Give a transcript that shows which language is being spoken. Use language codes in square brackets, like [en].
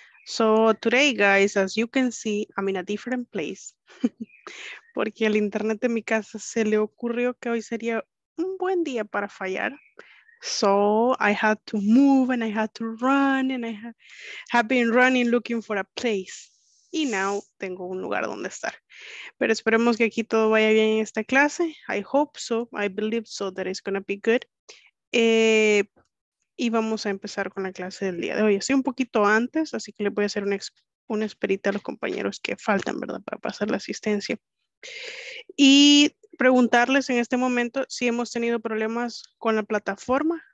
[en] So today, guys, as you can see, I'm in a different place. [es] Porque el internet de mi casa se le ocurrió que hoy sería un buen día para fallar. [en] So I had to move and I had to run and I have been running looking for a place. [es] Y now tengo un lugar donde estar. Pero esperemos que aquí todo vaya bien en esta clase. [en] I hope so. I believe so that it's going to be good. [es] Y vamos a empezar con la clase del día de hoy. Estoy un poquito antes, así que le voy a hacer una esperita a los compañeros que faltan, ¿verdad? Para pasar la asistencia. Y preguntarles en este momento si hemos tenido problemas con la plataforma.